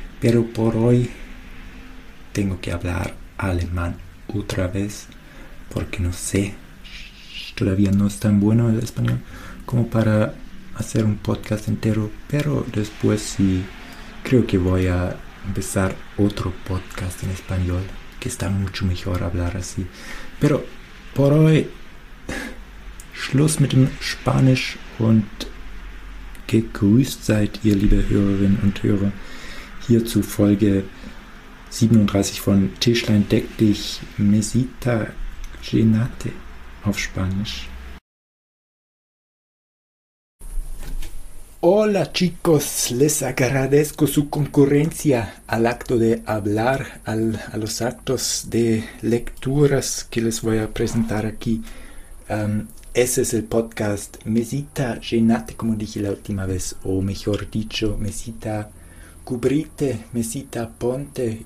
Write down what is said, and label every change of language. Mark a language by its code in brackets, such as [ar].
[es] Pero por hoy tengo que hablar alemán otra vez, porque no sé, todavía no es tan bueno el español como para hacer un podcast entero. Pero después sí, creo que voy a empezar otro podcast en español, que está mucho mejor hablar así. Pero por hoy, [de] Schluss mit dem Spanisch und gegrüßt seid ihr, liebe Hörerinnen und Hörer, hier zu Folge 37 von Tischlein deck dich, Mesita llénate auf Spanisch. [es] Hola chicos, les agradezco su concurrencia al acto de hablar, a los actos de lecturas que les voy a presentar aquí. Ese es el podcast Mesita Llenate, como dije la última vez, o mejor dicho, Mesita Cubrite, Mesita Ponte.